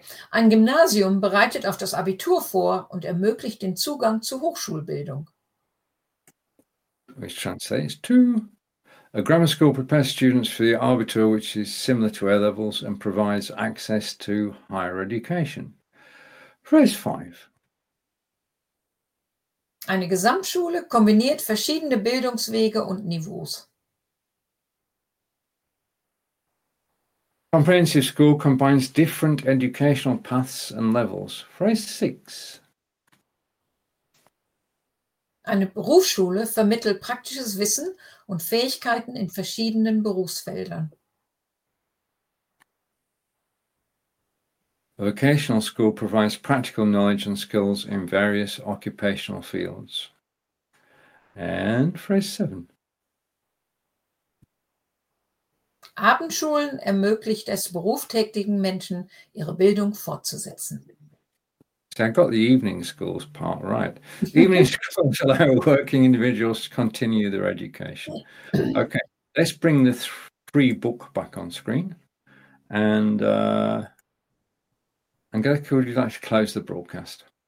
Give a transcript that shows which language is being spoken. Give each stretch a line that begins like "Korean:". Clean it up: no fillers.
German: Ein Gymnasium bereitet auf das Abitur vor und ermöglicht den Zugang zur Hochschulbildung.
English: Which translates to? A grammar school prepares students for the Abitur, which is similar to A-levels and provides access to higher education. Phrase 5.
German: Eine Gesamtschule kombiniert verschiedene Bildungswege und Niveaus.
English: Comprehensive school combines different educational paths and levels. Phrase 6.
German: Eine Berufsschule vermittelt praktisches Wissen und Fähigkeiten in verschiedenen Berufsfeldern.
English: A vocational school provides practical knowledge and skills in various occupational fields. And phrase 7.
German: Abendschulen ermöglicht es berufstätigen Menschen, ihre Bildung fortzusetzen.
English: So I got the evening schools part right. Evening schools allow working individuals to continue their education. Okay, let's bring the free book back on screen. And Angelika, would you like to close the broadcast?